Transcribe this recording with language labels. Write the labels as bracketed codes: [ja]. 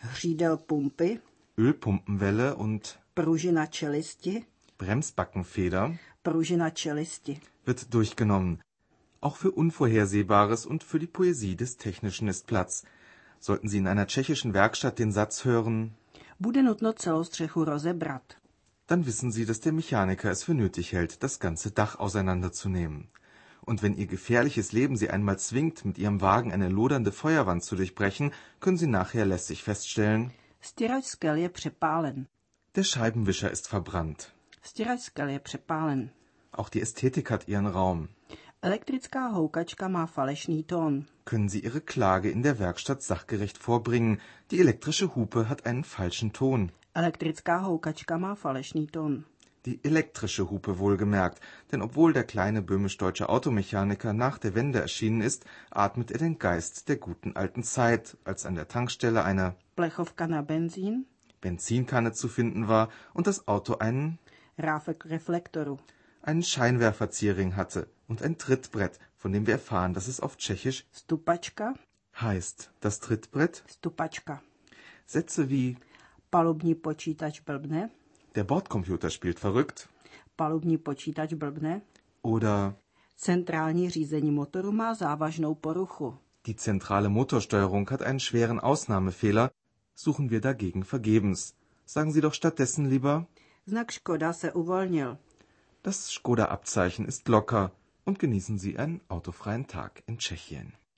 [cs] Hřídelpumpy, [de] Ölpumpenwelle und [cs] Pružina čelisti, [de] Bremsbackenfeder, [cs] Pružina čelisti. [de] Wird durchgenommen. Auch für Unvorhersehbares und für die Poesie des Technischen ist Platz. Sollten Sie in einer tschechischen Werkstatt den Satz hören, [cs] bude nutno celou střechu rozebrat, [de] dann wissen Sie, dass der Mechaniker es für nötig hält, das ganze Dach auseinanderzunehmen. Und wenn Ihr gefährliches Leben Sie einmal zwingt, mit Ihrem Wagen eine lodernde Feuerwand zu durchbrechen, können Sie nachher lässig feststellen, [cs] stěrač skel je přepálen. [de] Der Scheibenwischer ist verbrannt. [cs] Stěrač skel je přepálen. [de] Auch die Ästhetik hat ihren Raum. [cs] Elektrická houkačka má falešný tón. [de] Können Sie Ihre Klage in der Werkstatt sachgerecht vorbringen? Die elektrische Hupe hat einen falschen Ton. [cs] Elektrická houkačka má falešný tón. [de] Die elektrische Hupe wohlgemerkt, denn obwohl der kleine böhmisch-deutsche Automechaniker nach der Wende erschienen ist, atmet er den Geist der guten alten Zeit, als an der Tankstelle eine [cs] Plechovka na benzín, [de] Benzinkanne zu finden war und das Auto einen [cs] Rafek-Reflektoru, [de] einen Scheinwerferziering hatte und ein Trittbrett, von dem wir erfahren, dass es auf Tschechisch [cs] Stupačka [de] heißt, das Trittbrett [cs] Stupačka. [de] Sätze wie [cs] Palubní počítač blbne, [de] der Bordcomputer spielt verrückt, [cs] palubní počítač blbne, [de] oder [cs] Centrální řízení motoru má závažnou poruchu, [de] die zentrale Motorsteuerung hat einen schweren Ausnahmefehler, suchen wir dagegen vergebens. Sagen Sie doch stattdessen lieber [cs] Znak Škoda se uvolnil. [de] Das Škoda-Abzeichen ist locker und genießen Sie einen autofreien Tag in Tschechien.